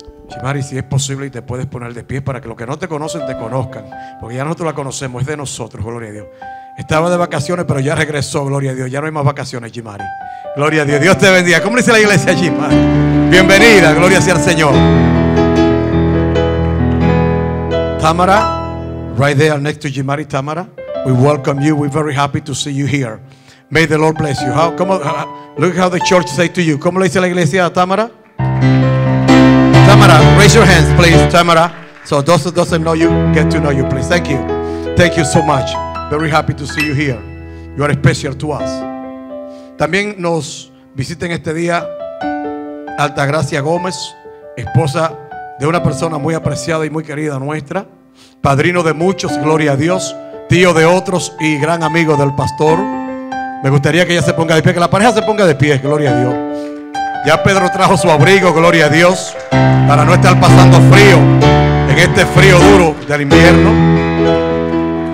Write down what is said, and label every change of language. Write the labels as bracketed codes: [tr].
[es] Jimari, si es posible y te puedes poner de pie para que los que no te conocen te conozcan, porque ya nosotros la conocemos, es de nosotros, gloria a Dios. Estaba de vacaciones, pero ya regresó, gloria a Dios. Ya no hay más vacaciones, Jimari. Gloria a Dios, Dios te bendiga. ¿Cómo dice la iglesia, Jimari? Bienvenida, gloria sea al Señor. [en] Tamara, right there next to Jimari, Tamara, we welcome you. We're very happy to see you here. May the Lord bless you. How, come on, look how the church say to you. [es] ¿Cómo le dice la iglesia a Tamara? [en] Tamara, raise your hands, please, Tamara. So those who doesn't know you, get to know you, please. Thank you. Thank you so much. Very happy to see you here. You are special to us. [es] También nos visiten este día Altagracia Gómez, esposa de una persona muy apreciada y muy querida nuestra, padrino de muchos, gloria a Dios, tío de otros y gran amigo del pastor. Me gustaría que ella se ponga de pie, que la pareja se ponga de pie, gloria a Dios. Ya Pedro trajo su abrigo, gloria a Dios, para no estar pasando frío en este frío duro del invierno.